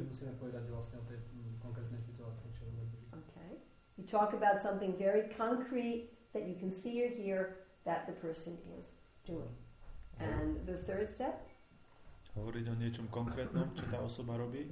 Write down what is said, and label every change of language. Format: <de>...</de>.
<sk>Musíme povedať vlastne o tej konkrétnej situácii, čo robí.</sk> <en>Okay. You talk about something very concrete that you can see or hear that the person is doing. And the third step?</en> <sk>Hovoriť o niečom konkrétnom, čo tá osoba robí.</sk>